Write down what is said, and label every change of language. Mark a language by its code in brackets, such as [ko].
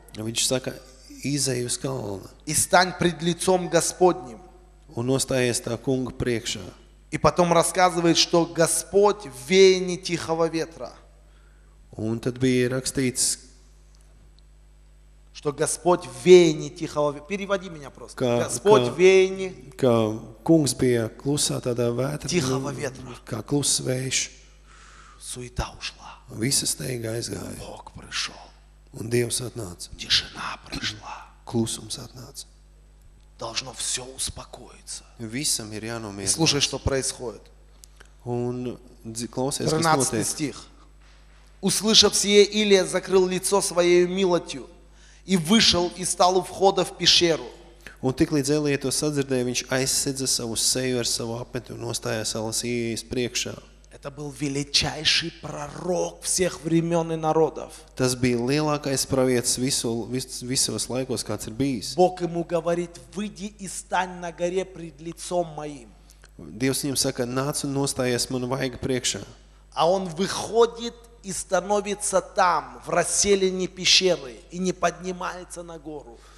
[lv] Viņš saka, izeju uz kalna. [ru] И стань пред лицом Господним. [lv] Un nostājies tā kunga priekšā. [ru] И потом рассказывает, что Господь в веянии тихого ветра. [lv] Un tad bija rakstīts, [ru] что Господь в веянии тихого ветра. Переводи меня просто. Господь в веянии. [lv] Ka kungs bija klusā tādā vētra. [ru] Тихого ветра. [lv] Kā kluss vējš. [ru] Суета ушла. [lv] Visa steiga aizgāja. [ru] Бог пришел. [lv] Un Dievs atnāca. [ru] Тишина пришла. [lv] Klusums atnāca. [ru] Должно все успокоиться. [lv] Visam ir jānomierinās. [ru] Слушай, что происходит. [lv] Un klausies, kas notiek. 13. [ru] стих. Услышав сие, Илия закрыл лицо своей милостью. И вышел и стал у входа в пещеру. [lv] Un tiklīdz Elija to sadzirdēja, viņš aizsedza savu seju ar savu apmeti un nostājās Elijas priekšā. [ru] Это был величайший пророк всех времён и народов. [lv] Tas bija lielākais pravietis visos laikos, kāds ir bijis. [ru] Бог ему говорит: "Выйди и стань на горе пред лицом моим". [lv] Dievs viņam saka: "Nāc un nostājies manu vaiga priekšā". [ru] А он выходит и становится там, в расселине пещеры, и не поднимается на гору.